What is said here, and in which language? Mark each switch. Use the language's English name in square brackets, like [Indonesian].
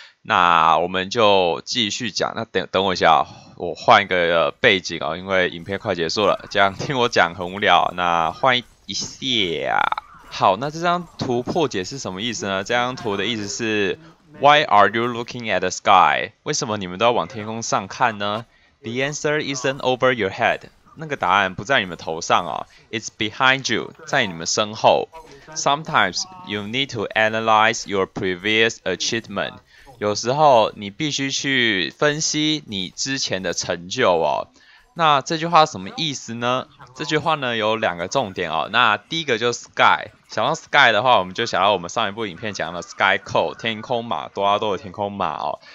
[Chinese] 那我们就继续讲，那等我一下、哦、我换一个背景哦，因为影片快结束了，这样听我讲很无聊，那换一下啊。好，那这张图破解是什么意思呢？这张图的意思是 [English] Why are you looking at the sky? [Chinese] 为什么你们都要往天空上看呢？ [English] The answer isn't over your head. [Chinese] 那个答案不在你们头上哦， [English] It's behind you, [Chinese] 在你们身后。 [English] Sometimes you need to analyze your previous achievement. [Chinese] 有时候你必须去分析你之前的成就哦。那这句话什么意思呢？这句话呢有两个重点哦。那第一个就是 sky， 想到 sky 的话，我们就想到我们上一部影片讲的 sky code 天空码，多拉多的天空码哦。